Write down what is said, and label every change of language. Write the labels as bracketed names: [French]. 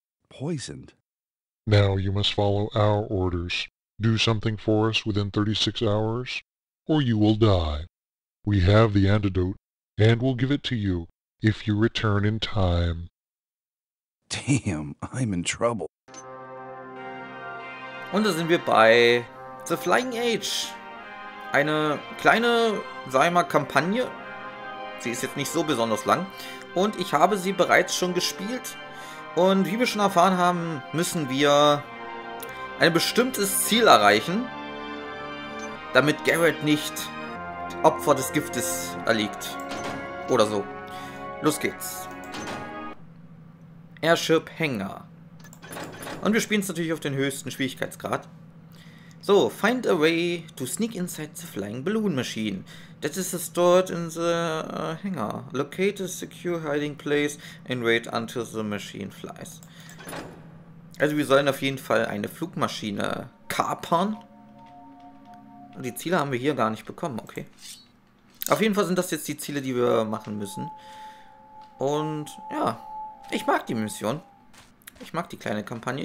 [English] Poisoned? Now you must follow our orders. Do something for us within 36 hours, or you will die. We have the antidote, and we'll give it to you if you return in time. Damn, I'm in trouble. [German] Und da sind wir bei The Flying Age. Eine kleine, sag ich mal, Kampagne. Sie ist jetzt nicht so besonders lang. Und ich habe sie bereits schon gespielt. Und wie wir schon erfahren haben, müssen wir ein bestimmtes Ziel erreichen, damit Garrett nicht Opfer des Giftes erliegt. Oder so. Los geht's. Airship Hangar. Und wir spielen es natürlich auf den höchsten Schwierigkeitsgrad. [English] So, find a way to sneak inside the flying balloon machine. That is stored in the hangar. Locate a secure hiding place and wait until the machine flies. [German] Also wir sollen auf jeden Fall eine Flugmaschine kapern. Die Ziele haben wir hier gar nicht bekommen, okay. Auf jeden Fall sind das jetzt die Ziele, die wir machen müssen. Und ja, ich mag die Mission. Ich mag die kleine Kampagne.